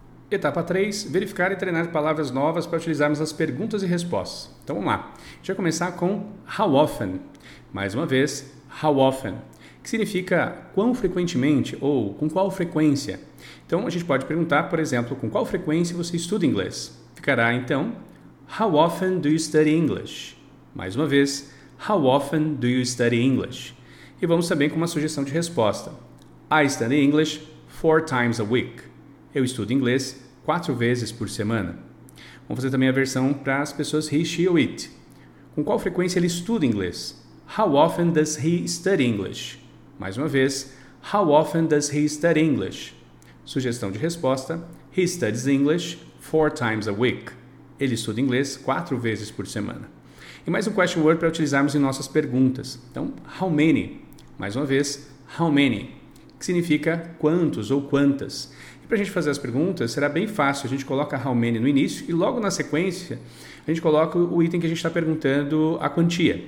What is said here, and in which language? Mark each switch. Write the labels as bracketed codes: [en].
[pt] Etapa 3, verificar e treinar palavras novas para utilizarmos as perguntas e respostas. Então vamos lá. A gente vai começar com [en] how often. [pt] Mais uma vez, how often. Que significa quão frequentemente ou com qual frequência. Então a gente pode perguntar, por exemplo, com qual frequência você estuda inglês. Ficará então, [en] how often do you study English? [pt] Mais uma vez, [en] how often do you study English? [pt] E vamos também com uma sugestão de resposta. [en] I study English 4 times a week. [pt] Eu estudo inglês 4 vezes por semana. Vamos fazer também a versão para as pessoas he, she ou it. Com qual frequência ele estuda inglês? [en] How often does he study English? [pt] Mais uma vez, [en] how often does he study English? [pt] Sugestão de resposta, [en] he studies English 4 times a week. [pt] Ele estuda inglês 4 vezes por semana. E mais um question word para utilizarmos em nossas perguntas. Então, how many? Mais uma vez, how many? Que significa quantos ou quantas. E para a gente fazer as perguntas, será bem fácil. A gente coloca how many no início e logo na sequência, a gente coloca o item que a gente está perguntando a quantia.